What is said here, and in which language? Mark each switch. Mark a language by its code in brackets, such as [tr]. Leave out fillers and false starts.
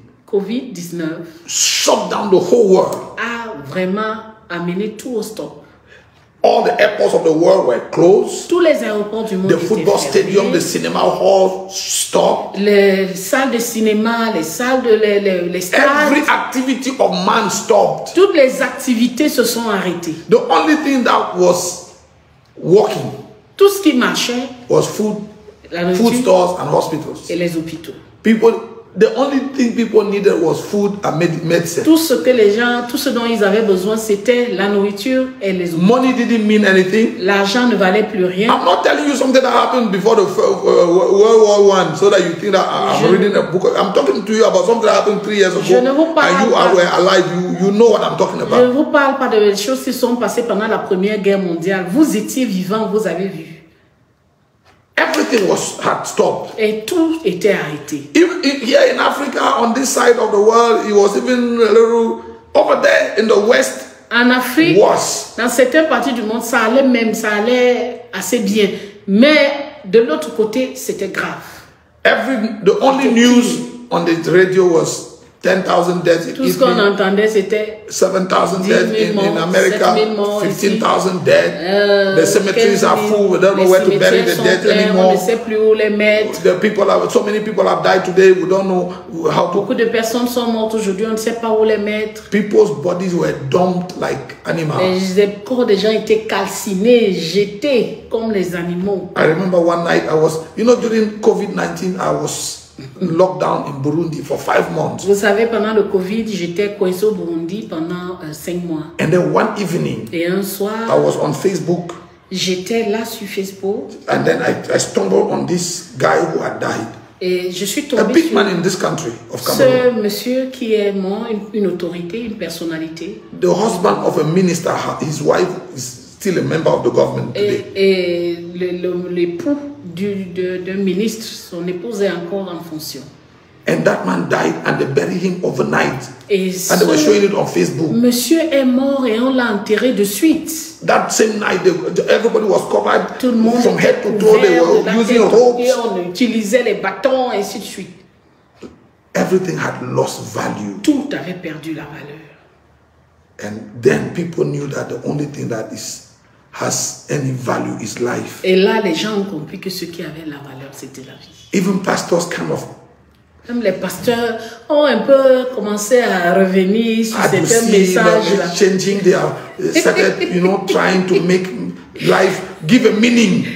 [en] COVID-19 shut down the whole world. [fr] A vraiment amené tout au stop. [en] All the airports of the world were closed. [fr] Tous les aéroports du monde étaient fermés. [en] The football stadium, the cinema hall stopped. [fr] Les salles de cinéma, les salles de les stades. [en] Every activity of man stopped. [fr] Toutes les activités se sont arrêtées. [en] The only thing that was working. [fr] Tout ce qui marchait. [en] Was food, food stores and hospitals. [fr] Et les hôpitaux. [en] People, the only thing people needed was food and medicine. [fr] Tout ce que les gens, tout ce dont ils avaient besoin, c'était la nourriture et les hôpitaux. [en] Money didn't mean anything. [fr] L'argent ne valait plus rien. [en] I'm not telling you something that happened before the World War One, so that you think that I'm reading a book. I'm talking to you about something that happened 3 years ago. [fr] Je ne vous parle [en] and you [fr] pas. [en] You are alive. You know what I'm talking about. [fr] Je ne vous parle pas de choses qui sont passées pendant la Première Guerre mondiale. Vous étiez vivant, vous avez vu. [en] Everything was had stopped. [fr] Et tout était arrêté. [en] Even here in Africa, on this side of the world, it was even a little over there in the West. [fr] En Afrique, [en] worse. [fr] Dans certaines parties du monde, ça allait même, ça allait assez bien. Mais de l'autre côté, c'était grave. [en] The only news on the radio was 10,000 deaths. [fr] Tout ce qu'on entendait, c'était [en] 7,000 deaths in America, 15,000 deaths. The cemeteries are full. We don't know where to bury the dead anymore. [fr] On ne sait plus où les mettre. [en] So many people have died today. We don't know how to. [fr] Beaucoup de personnes sont mortes aujourd'hui. On ne sait pas où les mettre. [en] People's bodies were dumped like animals. [fr] Les corps des gens étaient calcinés, jetés comme les animaux. [en] I remember one night I was, you know, during COVID-19, I was lockdown in Burundi for 5 months. [fr] Vous savez, pendant le COVID, j'étais coincé au Burundi pendant 5 mois. [en] And then one evening, [fr] et un soir, [en] I was on Facebook. [fr] J'étais là sur Facebook. [en] And then I stumbled on this guy who had died. [fr] Et je suis tombé [en] a big [fr] sur [en] man in this country of [fr] ce [en] Cameroon. [fr] Ce monsieur qui est mort, une autorité, une personnalité. [en] The husband of a minister, his wife is still a member of the government today. [fr] Et l'époux d'un ministre, son épouse est encore en fonction. [en] And that man died and they buried him overnight. And they were showing it on Facebook. [fr] Monsieur est mort et on l'a enterré de suite. [en] That same night, everybody was covered. [fr] Tout le monde [en] from head to toe, they were using ropes. [fr] Et on utilisait les bâtons et ainsi de suite. [en] Everything had lost value. [fr] Tout avait perdu la valeur. [en] And then people knew that the only thing that is has any value is life. [fr] Et là, les gens ont compris que ce qui avait la valeur, c'était la vie. [en] Even pastors kind of. [fr] Même les pasteurs ont un peu commencé à revenir sur certains messages là. [en] Changing their, started, you know, trying to make life give a meaning.